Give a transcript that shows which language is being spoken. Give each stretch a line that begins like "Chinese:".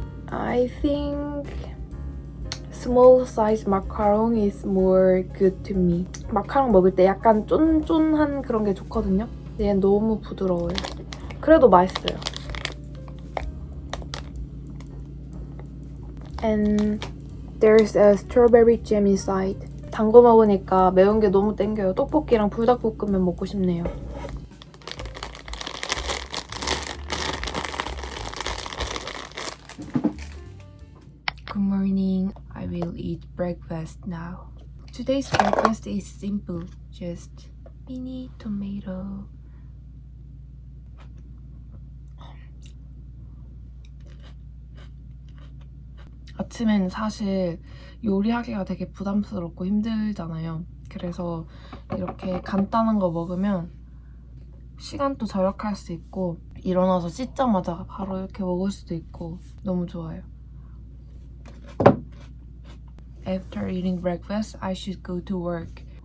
English: I think small size macaron is more good to me.
Korean: 마카롱 먹을 때 약간 쫀쫀한 그런 게 좋거든요. 얘 너무 부드러워요. 그래도 맛있어요.
English: And there's a strawberry jam inside.
Korean: 단 거 먹으니까 매운 게 너무 땡겨요. 떡볶이랑 불닭볶음면 먹고 싶네요.
English: Good morning. I will eat breakfast now. Today's breakfast is simple. Just mini tomato.
Korean: Breakfast는 사실 요리하기가 되게 부담스럽고 힘들잖아요. 그래서 이렇게 간단한 거 먹으면 시간도 절약할 수 있고 일어나서 씻자마자 바로 이렇게 먹을 수도 있고 너무 좋아요.
English: After eating breakfast, I should go to work.